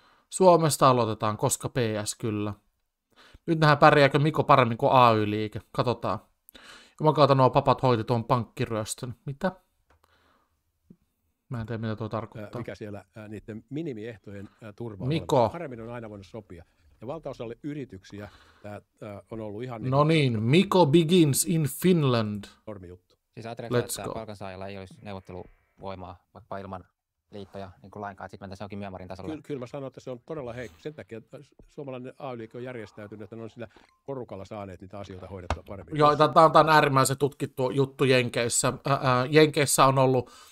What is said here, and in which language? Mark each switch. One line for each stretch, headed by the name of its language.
Finnish: Suomesta aloitetaan, koska PS, kyllä. Nyt nähdään, pärjääkö Mikko paremmin kuin AY-liike. Katsotaan. Jumakautta nuo papat hoiti tuon pankkiryöstön. Mitä? Mä en tiedä, mitä tuo tarkoittaa. Mikä siellä niiden minimiehtojen turva on? Mikko. Paremmin on aina voinut sopia. Ja valtaosalle yrityksiä on ollut ihan... Niin no niin, kuten...
English: Mikko begins in Finland.
Finnish: Normi juttu. Siis ajattelee, että palkansaajalla ei olisi neuvotteluvoimaa vaikka ilman liittoja niin kuin lainkaan. Sitten mennään onkin Myanmarin tasolla. Kyllä mä sanon, että se on todella heikko. Sen takia että suomalainen AY-liike on järjestäytynyt, että ne on sillä porukalla saaneet niitä asioita hoidettua paremmin. Joo, tämä on äärimmäisen tutkittu juttu Jenkeissä. Jenkeissä on ollut...